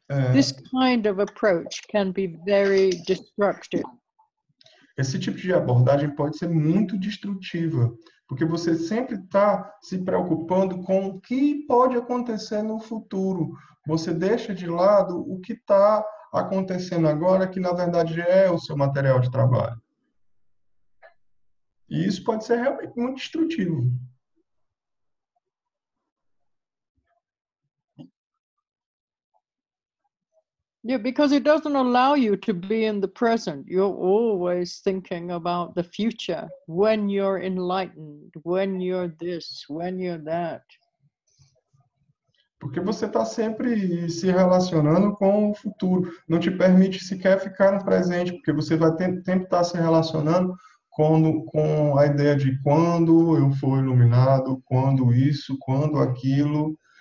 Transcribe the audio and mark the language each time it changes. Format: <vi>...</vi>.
<en>This kind of approach can be very destructive.</en> <pt>Esse tipo de abordagem pode ser muito destrutiva, porque você sempre está se preocupando com o que pode acontecer no futuro. Você deixa de lado o que está acontecendo agora, que na verdade é o seu material de trabalho. E isso pode ser realmente muito destrutivo.</pt> <en>Yeah, because it doesn't allow you to be in the present. You're always thinking about the future, when you're enlightened, when you're this, when you're that.</en> <pt>Porque você está sempre se relacionando com o futuro. Não te permite sequer ficar no presente, porque você vai sempre estar se relacionando com a ideia de quando eu for iluminado, quando isso, quando aquilo.</pt>